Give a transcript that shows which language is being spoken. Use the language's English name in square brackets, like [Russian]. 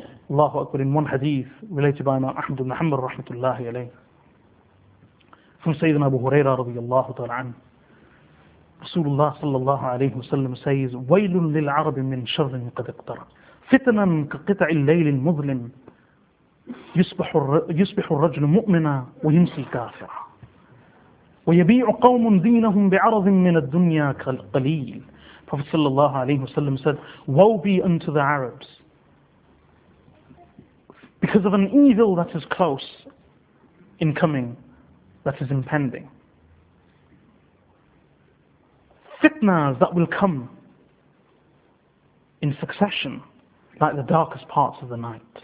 [English] Allahu Akbar, in one hadith related by Imam Ahmad ibn Hanbal rahmatullahi alayhi, from Sayyidina Abu Huraira radiyallahu ta'ala anhu, Rasulullah sallallahu alayhi wa sallam says, [Arabic] وَيْلٌ لِلْعَرَبِ مِنْ شَرٍ قَدْ اقْتَرَ فتنا كقطع الليل المظلم يصبح الرجل مؤمنا ويمسي كافرا. ويبيع قوم دينهم بعرض من الدنيا قليل. [English] Prophet sallallahu alayhi wa sallam said, woe be unto the Arabs because of an evil that is close in coming, that is impending. Fitnas that will come in succession like the darkest parts of the night.